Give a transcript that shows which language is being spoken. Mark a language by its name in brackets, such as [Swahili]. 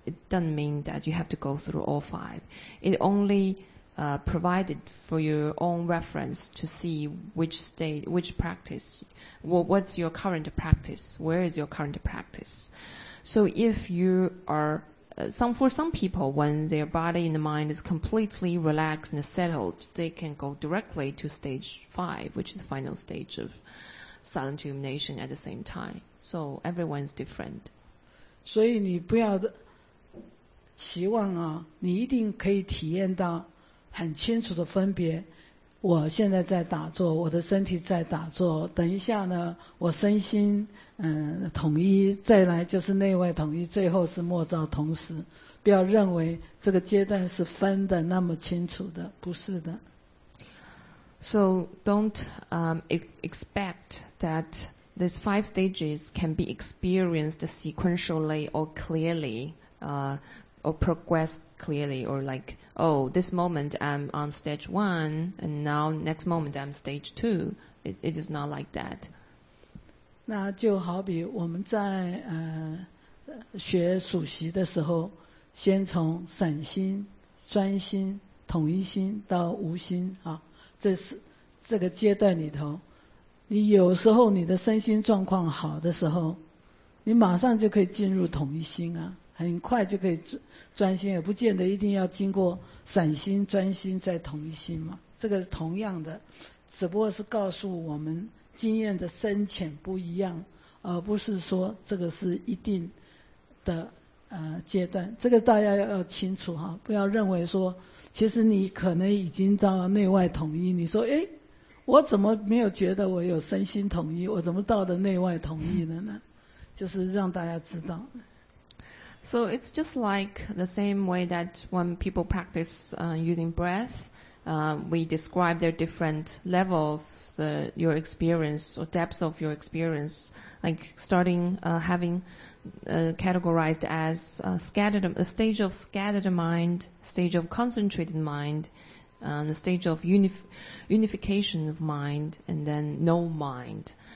[English] It doesn't mean that you have to go through all five. It only provided for your own reference to see which state, which practice, what's your current practice, where is your current practice. So if you are, for some people, when their body and the mind is completely relaxed and settled, they can go directly to stage five, which is the final stage of silent illumination at the same time. So everyone's different. [Chinese] 所以你不要期望啊，你一定可以体验到很清楚的分别，我现在在打坐，我的身体在打坐，等一下呢我身心统一，再来就是内外统一，最后是末照同时。不要认为这个阶段是分的那么清楚的，不是的。 [English] So don't expect that these five stages can be experienced sequentially or clearly, or progress clearly, or like, oh, this moment I'm on stage one, and now next moment I'm stage two. It is not like that. [Chinese] 那就好比我们在学数息的时候，先从散心、专心、统一心到无心啊，这是这个阶段里头，你有时候你的身心状况好的时候，你马上就可以进入统一心啊。很快就可以专心，也不见得一定要经过散心、专心再统一心嘛。这个同样的，只不过是告诉我们经验的深浅不一样，而不是说这个是一定的阶段。这个大家要清楚哈，不要认为说，其实你可能已经到内外统一，你说哎，我怎么没有觉得我有身心统一？我怎么到的内外统一了呢？就是让大家知道。 [English] So it's just like the same way that when people practice using breath, we describe their different level of your experience or depths of your experience, like starting having categorized as a stage of scattered mind, stage of concentrated mind, the stage of unification of mind, and then no mind.